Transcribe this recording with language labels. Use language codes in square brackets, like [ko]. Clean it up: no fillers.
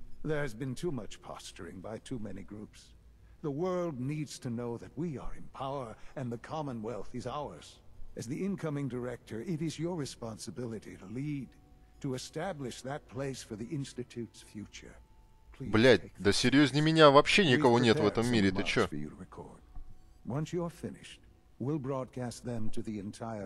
[en] There has been too much posturing by too many groups. The world needs to know that we are in power and the Commonwealth is ours. As the incoming director, it is your responsibility to lead, to establish that place for the Institute's future. Please. [ru] Блять, да серьезнее меня вообще никого нет в этом мире, ты чё? [en] Once you're finished, we'll broadcast them to the entire.